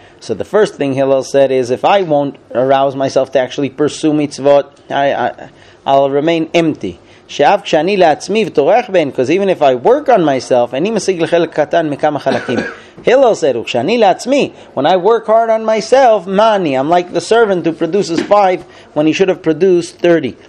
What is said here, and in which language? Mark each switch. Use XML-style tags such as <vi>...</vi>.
<en>So the first thing Hillel said is if I won't arouse myself to actually pursue מצוות I'll remain empty.</en> <he>שאף כשאני לעצמי ותורח בהן,</he> <en>because even if I work on myself,</en> <he>אני משיג לחלק קטן מכמה חלקים.</he> <en>Hillel said,</en> <he>וכשאני לעצמי,</he> <en>when I work hard on myself,</en> <he>מה אני?</he> <en>I'm like the servant who produces 5 when he should have produced 30.</en>